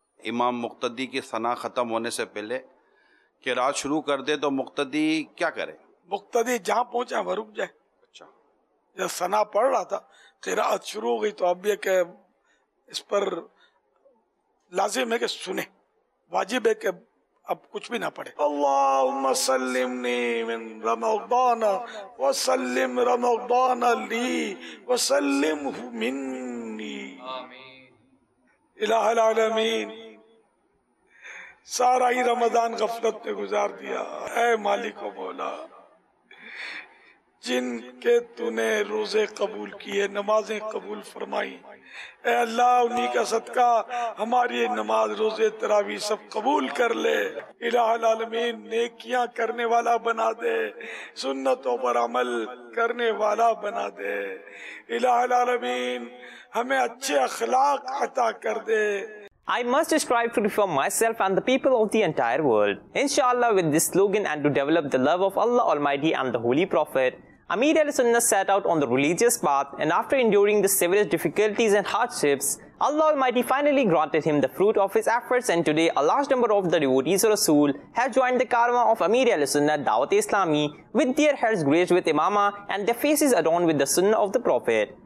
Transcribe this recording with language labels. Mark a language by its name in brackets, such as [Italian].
[Urdu] امام مقتدی کی ثنا ختم ہونے سے پہلے کہ رات شروع کر دے تو مقتدی کیا کرے؟ مقتدی جہاں پہنچا وہ رک جائے. اچھا, جب ثنا پڑھ رہا تھا قراءت شروع ہو گئی تو اب یہ کہ اس پر لازم ہے کہ سنیں, واجب ہے کہ اب کچھ بھی نہ پڑھے. [Arabic] اللهم سلمني من رمضان وسلم رمضان لي وسلمه مني الہ العالمین. [Urdu] سارا ہی رمضان غفلت میں گزار دیا, اے مالک و مولا جن کے تو نے روزے قبول کیے, نمازیں قبول فرمائی, اے اللہ انہی کا صدقہ ہماری نماز روزے تراویح سب قبول کر لے. الہ العالمین نیکیاں کرنے والا بنا دے, سنتوں پر عمل کرنے والا بنا دے. الہ العالمین ہمیں اچھے اخلاق عطا کر دے. [English] I must strive to reform myself and the people of the entire world. Inshallah, with this slogan and to develop the love of Allah Almighty and the Holy Prophet, Amir al-Sunnah set out on the religious path, and after enduring the severest difficulties and hardships, Allah Almighty finally granted him the fruit of his efforts, and today a large number of the devotees of Rasool have joined the karma of Amir al-Sunnah Dawat-e-Islami with their heads graced with imamah and their faces adorned with the sunnah of the Prophet.